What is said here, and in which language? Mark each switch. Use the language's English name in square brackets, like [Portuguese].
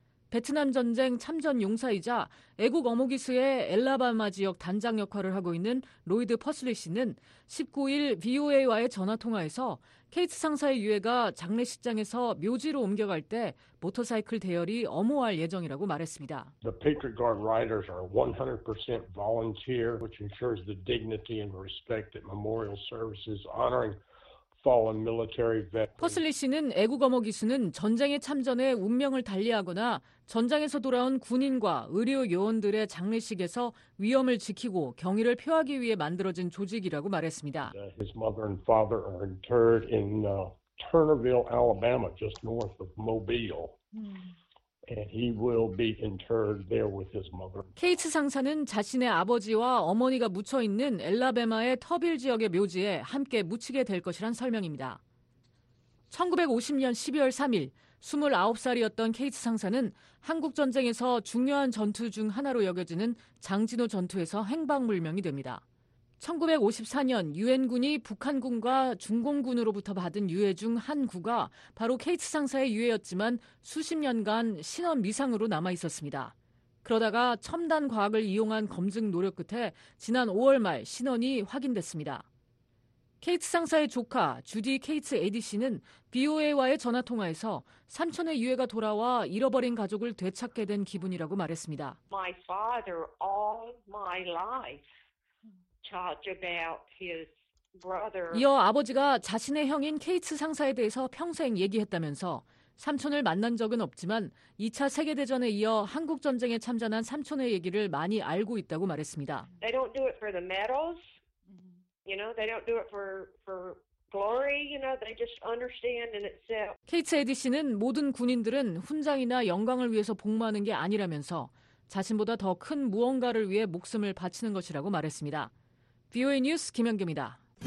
[Korean] 베트남 전쟁 참전 용사이자 애국 어모기수의 엘라바마 지역 단장 역할을 하고 있는 로이드 퍼슬리 씨는 19일 VOA와의 전화통화에서 케이츠 상사의 유해가 장례식장에서 묘지로 옮겨갈 때 모터사이클 대열이 엄호할 예정이라고 말했습니다. [English] The Patriot Guard riders are 100% volunteer, which ensures the dignity and respect at memorial services honoring fallen military veterans. [Korean] 퍼슬리 씨는 애국 어모기수는 전쟁에 참전해 운명을 달리하거나 전장에서 돌아온 군인과 의료 요원들의 장례식에서 위엄을 지키고 경의를 표하기 위해 만들어진 조직이라고 말했습니다. [English] His mother and father are interred in Turnerville, Alabama, just north of Mobile. And he will be interred there with his mother. [Korean] 케이츠 상사는 자신의 아버지와 어머니가 묻혀 있는 엘라베마의 터빌 지역의 묘지에 함께 묻히게 될 것이란 설명입니다. 1950년 12월 3일 29살이었던 케이츠 상사는 한국전쟁에서 중요한 전투 중 하나로 여겨지는 장진호 전투에서 행방불명이 됩니다. 1954년 유엔군이 북한군과 중공군으로부터 받은 유해 중 한 구가 바로 케이트 상사의 유해였지만 수십 년간 신원 미상으로 남아 있었습니다. 그러다가 첨단 과학을 이용한 검증 노력 끝에 지난 5월 말 신원이 확인됐습니다. 케이트 상사의 조카 주디 케이트 에디 씨는 BOA와의 전화통화에서 삼촌의 유해가 돌아와 잃어버린 가족을 되찾게 된 기분이라고 말했습니다. [English] My father all my life talked about his brother. [Korean] 이어 아버지가 자신의 형인 케이트 상사에 대해서 평생 얘기했다면서 삼촌을 만난 적은 없지만 2차 세계대전에 이어 한국전쟁에 참전한 삼촌의 얘기를 많이 알고 있다고 말했습니다. [English] They don't do it for the medals. You know, they don't do it for glory. You know, they just understand in itself. [Korean] 케이츠 에디 씨는 모든 군인들은 훈장이나 영광을 위해서 복무하는 게 아니라면서 자신보다 더 큰 무언가를 위해 목숨을 바치는 것이라고 말했습니다. VOA 뉴스 김연경입니다.